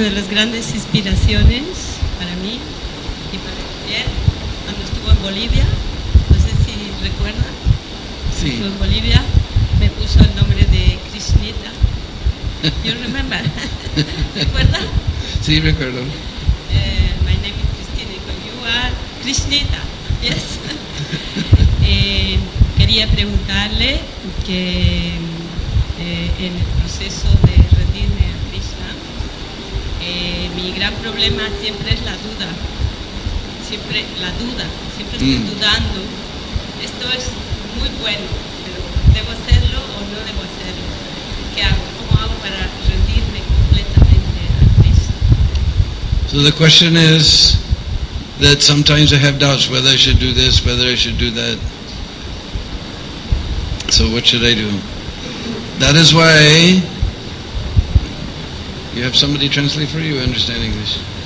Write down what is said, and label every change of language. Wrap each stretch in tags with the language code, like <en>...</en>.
<es>Grandes inspiraciones para mí y para él cuando estuvo en Bolivia, no sé si recuerda, sí. Estuvo en Bolivia, me puso el nombre de Krishnita.</es> <en>You remember?</en> <es>¿Recuerda? Sí, recuerdo.</es> <en>My name is Cristina, but you are Krishnita. Yes.</en> <es>Quería preguntarle que en el proceso de rendirme a Krishna, mi gran problema siempre es la duda. Siempre la duda. Siempre estoy dudando. Esto es muy bueno, pero ¿debo hacerlo o no debo hacerlo? ¿Qué hago? ¿Cómo hago para rendirme completamente a Krishna?</es> <en>So the question is that sometimes I have doubts whether I should do this, whether I should do that. So what should I do? That is why you have somebody translate for you, understand English.</en>